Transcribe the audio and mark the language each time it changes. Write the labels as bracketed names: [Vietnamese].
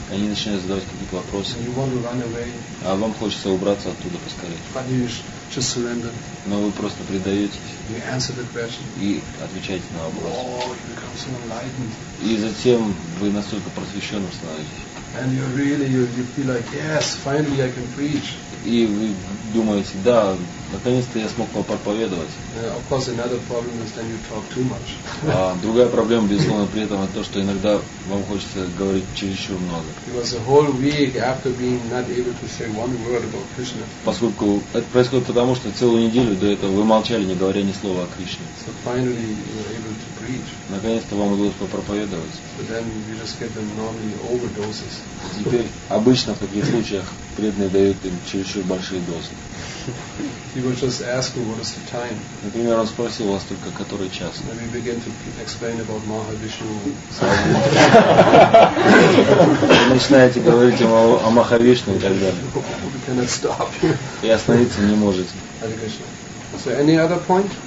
[Russian] Они начинают задавать какие-то вопросы. [English] And you want to run away. [Russian] А вам хочется убраться оттуда поскорее. [English] But you just surrender. [Russian] Но вы просто предаетесь. [English] You answer the question. [Russian] И отвечаете на вопрос. [English] Oh, you become so enlightened. [Russian] И затем вы настолько просвещенным становитесь. [English] And you feel like, yes, finally I can preach. [Russian] И вы думаете, да, наконец-то я смог проповедовать. [English] Of course, another problem is then you talk too much. [Russian] А другая проблема, безусловно, при этом, это то, что иногда вам хочется говорить чересчур много. [English] Because the whole week after being not able to say one word about Krishna. [Russian] Поскольку это происходит потому, что целую неделю до этого вы молчали, не говоря ни слова о Кришне. [English] So finally you were able to preach. [Russian] Наконец-то вам удалось попроповедовать. [English] But then we just get them normally overdoses. [Russian] Теперь обычно в таких случаях преданные дают им чересчур большие дозы. [English] He was just asking what is the time. [Russian] Например, он спросил вас только который час. [English] Then we begin to explain about Mahavishnu. [Russian] Вы начинаете говорить ему о Махавишну и так далее. [English] We cannot stop. [Russian] И остановиться не можете. [English] Hare Krishna. So any other point?